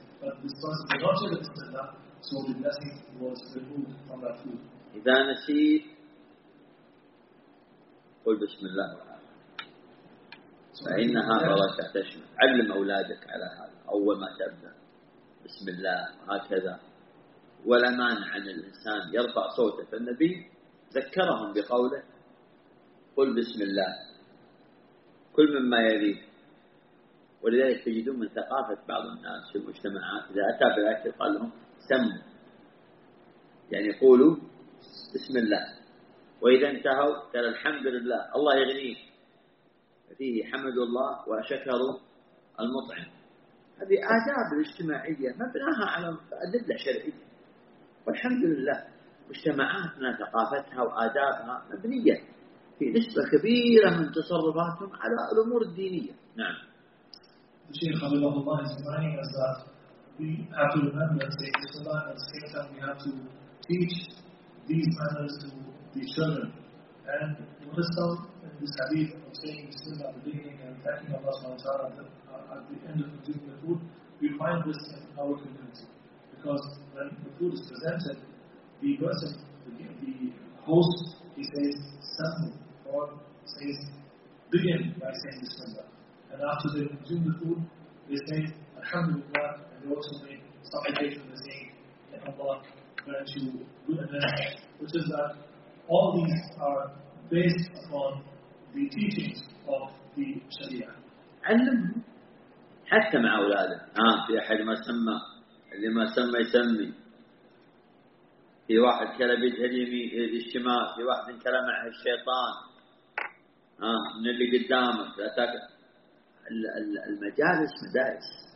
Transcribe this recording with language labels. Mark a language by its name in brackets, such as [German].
[English] But this person did not say the Bismillah so the blessing was removed from that food. [Arabic] إذا نسيت قل بسم الله فإنها بركة تشمل. علم أولادك على هذا أول ما تبدأ بسم الله هكذا. ولا مانع عن الإنسان يرفع صوته فالنبي ذكرهم بقوله قل بسم الله كل مما يليه. ولذلك تجدون من ثقافة بعض الناس في المجتمعات إذا أتى بالأكل قال لهم سموا يعني قولوا بسم الله وإذا انتهوا قال الحمد لله الله يغنيك فيه حمد الله وشكر المطعم. هذه آداب اجتماعية مبناها على أدلة شرعية والحمد لله مجتمعاتنا ثقافتها وآدابها مبنية في نسبة كبيرة من تصرفاتهم على الأمور الدينية. نعم. الشيخ حبيب الله الله [English] is reminding us that we have to remember and say this a lot and say that we have to teach these manners to the children. And what is some in this hadith of saying Bismillah at the beginning and thanking Allah subhanahu wa ta'ala at the end of consuming the food, we find this in our community. Because when the food is presented, the person, the host, he says Sami or says begin by saying Bismillah. And after they consume the food, they say Alhamdulillah and they also make supplication by saying that Allah grant you good and bad, which is that all these are based upon the teachings of the Sharia. [Arabic] علمهم حتى مع أولادك. في أحد ما سمى اللي ما سمى يسمي. في واحد كلا بيده الشمال. في واحد كلا مع الشيطان. من اللي قدامك. أتاك المجالس مدارس.